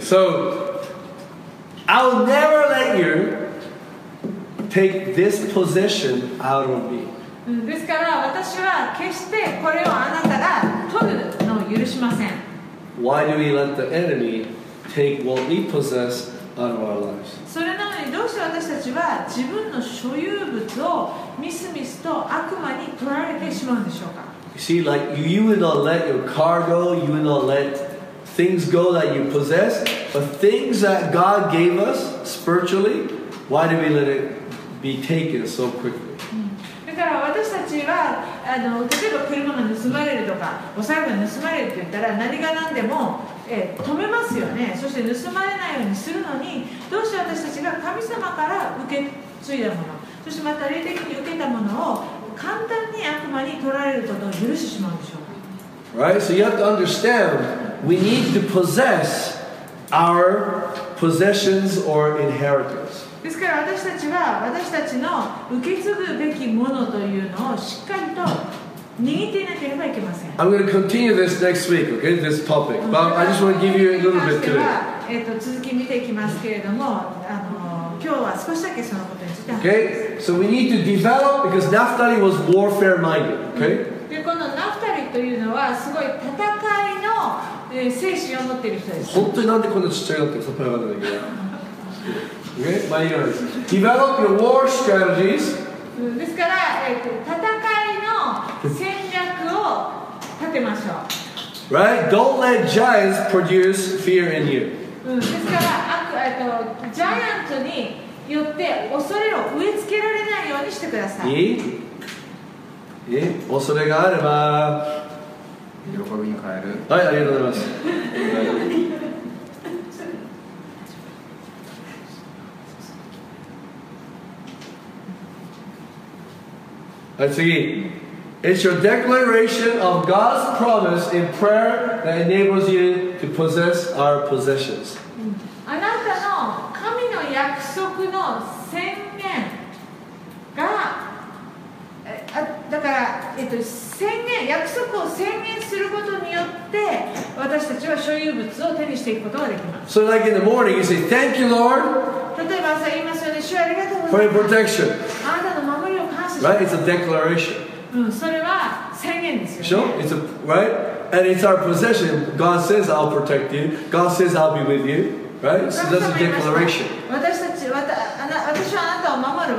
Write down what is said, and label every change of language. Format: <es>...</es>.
<en>So, I'll never let you take this possession out of me.</en> <ja>ですから、私は決してこれをあなたが取るのを許しません。</ja> <en>Why do we let the enemy take what we possess out of our lives?</en> <ja>それなのにどうして私たちは自分の所有物をミスミスと悪魔に取られてしまうんでしょうか。</ja> <en>You see, like you would not let your car go, you would not let things go that you possess, but things that God gave us spiritually, why do we let it be taken so quickly?</en> <ja>だから私たちはあの例えば車が盗まれるとかお財布が盗まれるって言ったら何が何でも止めますよね。そして盗まれないようにするのに、どうして私たちが神様から受け継いだもの、そしてまた霊的に受けたものを簡単に悪魔に取られることを許してしまうんでしょうか。</ja> <en>Right, so you have to understand, we need to possess our possessions or inheritance.</en> <ja>ですから私たちは私たちの受け継ぐべきものというのをしっかりと握っていなければいけません。</ja> <en>I'm going to continue this next week, okay, this topic. But I just want to give you a little bit today.</en> <ja>続き見ていきますけれども、今日は少しだけそのことについて。</ja> <en>Okay, so we need to develop because Naphtali was warfare minded. Okay.</en> <ja>でこのナフタリというのはすごい戦いの精神を持っている人です。本当になんでこんなちっちゃいのってさっぱりわからないけど。</ja> <en>Okay, my ears. Develop your war strategies.</en> <ja>ですから、戦いの戦略を立てましょう。</ja> <en>Right? Don't let giants produce fear in you.</en> <ja>ですから、ジャイアントによって恐れを植え付けられないようにしてください。いい？え、恐れがあれば喜びに変える。はい、ありがとうございます。はい、次。</ja> <en>It's your declaration of God's promise in prayer that enables you to possess our possessions.</en> <ja>あなたの神の約束の宣言が、だから、宣言、約束を宣言することによって、私たちは所有物を手にしていくことができます。</ja> <en>So like in the morning, you say, thank you, Lord.</en> <ja>例えば朝言いますよね、主ありがとうございます。</ja> <en>For your protection.</en> <ja>あなたの守りを感謝します</ja> <en>。 Right? It's a declaration.</en> <ja>それは宣言ですよね。</ja> <en>Sure? It's a, right? And it's our possession. God says, I'll protect you. God says, I'll be with you. Right? So that's a declaration.</en> <ja>私たち、私はあなたを守る。</ja>